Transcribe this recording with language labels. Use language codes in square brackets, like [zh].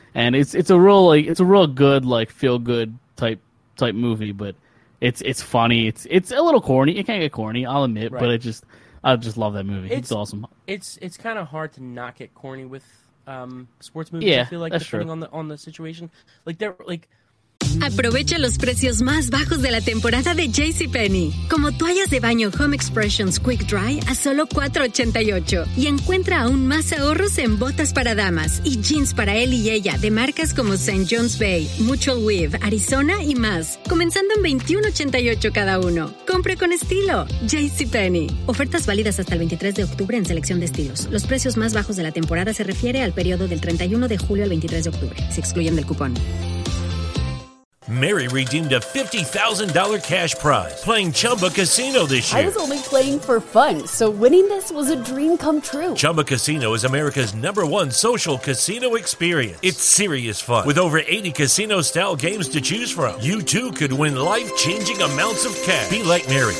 [en] And it's a real good feel good type movie. But it's funny. It's a little corny. It can get corny, I'll admit. Right. But I just love that movie. It's awesome. It's kind of hard to not get corny with sports movies, yeah, I feel like, depending on the situation. Like, they're like... [es] Aprovecha los precios más bajos de la temporada de JCPenney. Como toallas de baño Home Expressions Quick Dry a solo $4.88. Y encuentra aún más ahorros en botas para damas y jeans para él y ella de marcas como St. John's Bay, Mutual Weave, Arizona y más. Comenzando en $21.88 cada uno. Compre con estilo. JCPenney. Ofertas válidas hasta el 23 de octubre en selección de estilos. Los precios más bajos de la temporada se refiere al periodo del 31 de julio al 23 de octubre. Se excluyen del cupón. [en] Mary redeemed a $50,000 cash prize playing Chumba Casino this year. I was only playing for fun, so winning this was a dream come true. Chumba Casino is America's number one social casino experience. It's serious fun. With over 80 casino-style games to choose from, you too could win life-changing amounts of cash. Be like Mary.